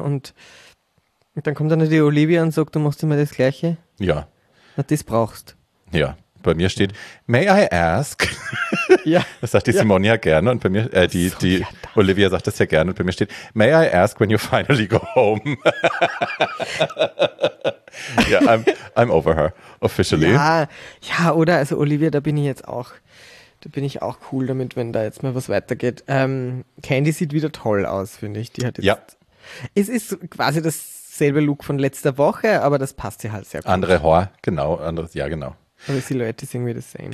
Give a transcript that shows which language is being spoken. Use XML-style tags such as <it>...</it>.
<de>Und dann kommt dann die Olivia und sagt, du machst immer das Gleiche. Ja. Na, das brauchst. Ja, bei mir steht, may I ask? Ja. Das sagt die Simone ja gerne und bei mir, Olivia sagt das ja gerne und bei mir steht, may I ask when you finally go home?</de> <en>Ja, I'm over her, officially.</en> <de>Ja, oder? Also Olivia, da bin ich auch cool damit, wenn da jetzt mal was weitergeht. Candy sieht wieder toll aus, finde ich. Die hat jetzt. Ja. Es ist quasi dasselbe Look von letzter Woche, aber das passt ja halt sehr gut. Andere Haar, genau, anderes, ja, genau. Aber die Silhouette ist irgendwie das same.</de>